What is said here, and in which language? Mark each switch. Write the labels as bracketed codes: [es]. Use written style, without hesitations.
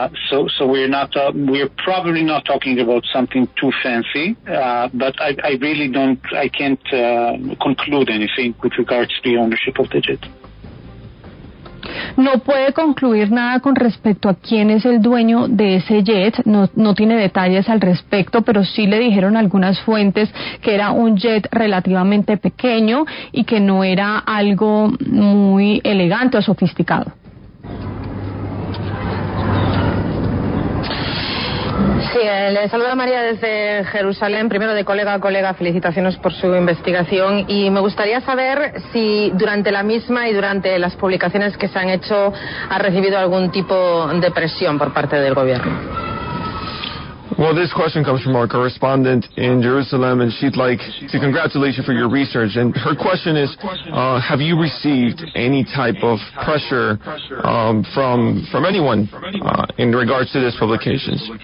[en] So we're probably not talking about something too fancy, but I can't conclude anything with regards to the ownership of the jet. [es] No puede concluir nada con respecto a quién es el dueño de ese jet, no tiene detalles al respecto, pero sí le dijeron algunas fuentes que era un jet relativamente pequeño y que no era algo muy elegante o sofisticado. Sí, le saluda María desde Jerusalén. Primero, de colega a colega, felicitaciones por su investigación. Y me gustaría saber si durante la misma y durante las publicaciones que se han hecho ha recibido algún tipo de presión por parte del gobierno. [en] Well, this question comes from our correspondent in Jerusalem, and she'd like to congratulate you for your research. And her question is, have you received any type of pressure from anyone in regards to this publication?